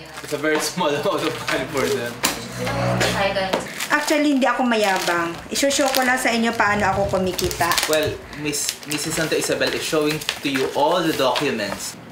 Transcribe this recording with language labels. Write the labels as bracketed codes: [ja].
[en] It's a very small amount of money for them. [tl] Actually, hindi ako mayabang. I-show ko lang sa inyo paano ako kumikita. [en] Well, Miss Mrs. Santa Isabel is showing to you all the documents.